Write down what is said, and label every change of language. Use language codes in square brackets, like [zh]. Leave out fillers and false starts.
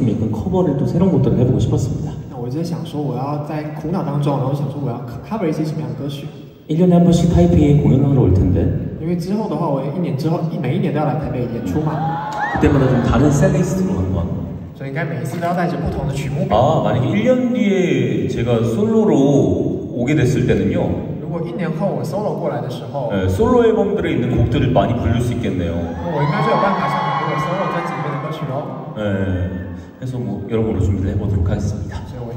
[ko] 커버를 또 새로운 것들 해보고 싶었습니다. [zh] 我在想说我要在苦恼当中，然后想说我要cover一些什么样的歌曲。 [ko] 1년에 한 번씩 타이핑에 공연하러 올 텐데. [zh] 因为之后的话，我一年之后每一年都要来台北演出嘛。 [ko] 그때마다 좀 다른 셀리스트로 한 것 같고. [zh] 所以应该每一次都要带着不同的曲目。 [ko] 아 만약에 1년 뒤에 제가 솔로로 오게 됐을 때는요. [zh] 如果一年后我 솔로 过来的时候. [ko] 네, 솔로 앨범들에 있는 곡들을 많이 부를 수 있겠네요. [zh] 我应该就有办法唱很多的 솔로 专辑里面的歌曲喽。 [ko] 네. 그래서 뭐 여러모로 준비를 해보도록 하겠습니다.